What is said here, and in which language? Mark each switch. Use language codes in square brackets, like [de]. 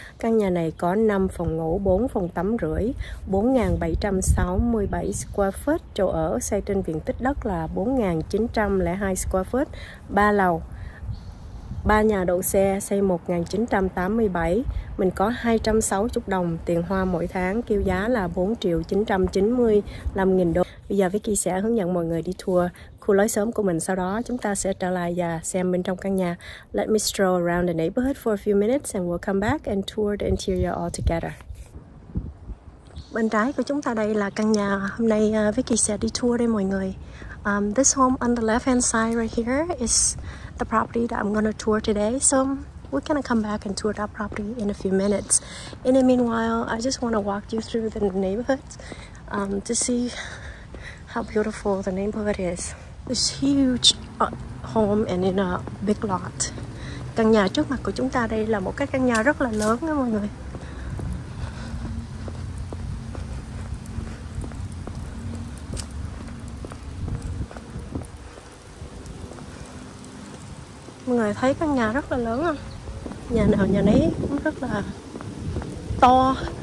[vi] Căn nhà này có 5 phòng ngủ, 4 phòng tắm rưỡi, 4,767 square foot chỗ ở, xây trên diện tích đất là 4,902 square foot, 3 lầu, 3 nhà đậu xe, xây 1987, mình có 260 đồng tiền hoa mỗi tháng, kêu giá là 4,995,000 đô. Bây giờ Vicky sẽ hướng dẫn mọi người đi tour khu lối sớm của mình, sau đó chúng ta sẽ trở lại và xem bên trong căn nhà. [en] Let me stroll around the neighborhood for a few minutes and we'll come back and tour the interior all together. [vi] Bên trái của chúng ta đây là căn nhà hôm nay Vicky sẽ đi tour đây mọi người. [en] This home on the left hand side right here is the property that I'm gonna tour today, so we're gonna come back and tour that property in a few minutes. In the meanwhile, I just want to walk you through the neighborhood to see how beautiful the neighborhood is. This huge home and in a big lot. [vi] Căn nhà trước mặt của chúng ta đây là một cái căn nhà rất là lớn đó mọi người. Mọi người thấy căn nhà rất là lớn không? Nhà nào nhà nấy cũng rất là to.